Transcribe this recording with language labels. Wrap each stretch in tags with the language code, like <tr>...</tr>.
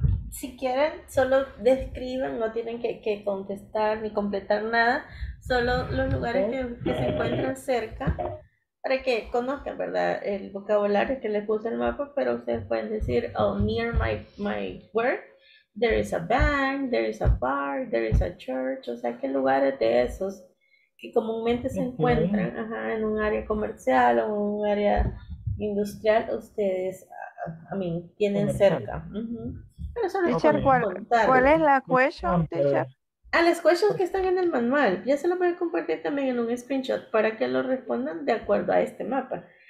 <es>Si quieren, solo describan, no tienen que contestar ni completar nada. Solo los lugares que se encuentran cerca para que conozcan, ¿verdad? El vocabulario que les puse el mapa, pero ustedes pueden decir,</es> <en>oh, near my work. There is a bank, there is a bar, there is a church.</en> <es>O sea, ¿qué lugares de esos que comúnmente se encuentran en un área comercial o un área industrial ustedes, tienen comercial cerca? Pero eso teacher, ¿cuál es la question, teacher? Ah, las questions que están en el manual. Ya se lo voy a compartir también en un screenshot para que lo respondan de acuerdo a este mapa.</es>